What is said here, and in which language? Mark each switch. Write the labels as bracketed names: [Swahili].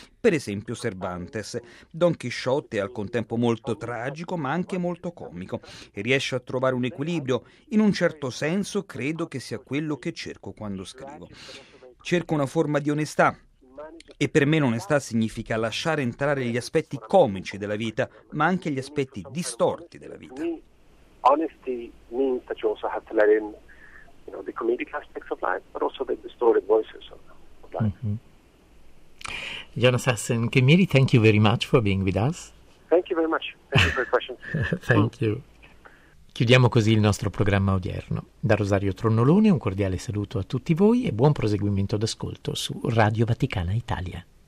[Italian] Per esempio Cervantes. Don Chisciotte è al contempo molto tragico ma anche molto comico e riesce a trovare un equilibrio. In un certo senso credo che sia quello che cerco quando scrivo. Cerco una forma di onestà e per me l'onestà significa lasciare entrare gli aspetti comici della vita ma anche gli aspetti distorti della vita. [English] Honesty means that you also have to let in, you know, the comedic aspects of life, but also the distorted voices of life. Jonas Hassen, Kemiri, thank you very much for being with us. Thank you very much. Thank you for your question. Thank you. [Italian] Chiudiamo così il nostro programma odierno. Da Rosario Tronnolone un cordiale saluto a tutti voi e buon proseguimento d'ascolto su Radio Vaticana Italia.